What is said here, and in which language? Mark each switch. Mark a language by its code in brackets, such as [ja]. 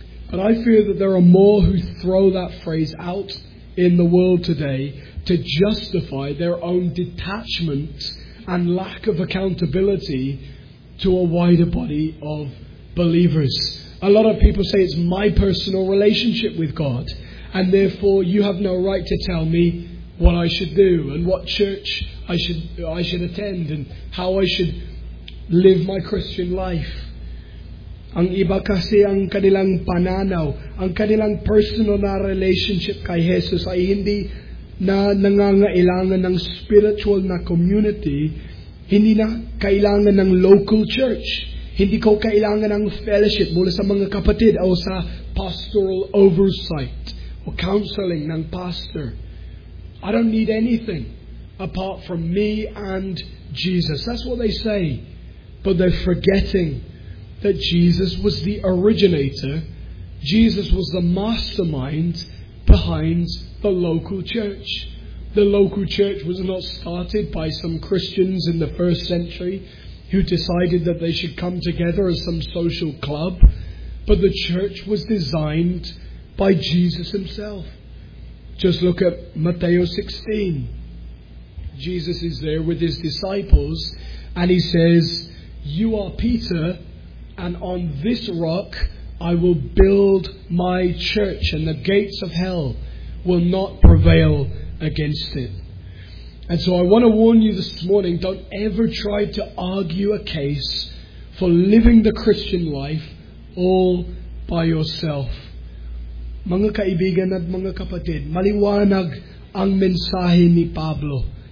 [en] But I fear that there are more who throw that phrase out in the world today to justify their own detachment and lack of accountability to a wider body of believers. A lot of people say it's my personal relationship with God, and therefore you have no right to tell me what I should do and what church I should attend and how I should live my Christian life. [tl] Ang iba kasi ang kanilang pananaw, ang kanilang personal na relationship kay Jesus ay hindi na nangangailangan ng spiritual na community, hindi na kailangan ng local church. Hindi ko kailangan ng fellowship mula sa mga kapatid o sa [en] pastoral oversight or counseling [tl] ng pastor. [en] I don't need anything apart from me and Jesus. That's what they say. But they're forgetting that Jesus was the originator. Jesus was the mastermind behind the local church. The local church was not started by some Christians in the first century who decided that they should come together as some social club, but the church was designed by Jesus himself. Just look at Matthew 16. Jesus is there with his disciples, and he says, "You are Peter, and on this rock I will build my church, and the gates of hell will not prevail against it." And so I want to warn you this morning, don't ever try to argue a case for living the Christian life all by yourself. [tl] Mga kaibigan at mga kapatid, maliwanag ang mensahe ni Pablo.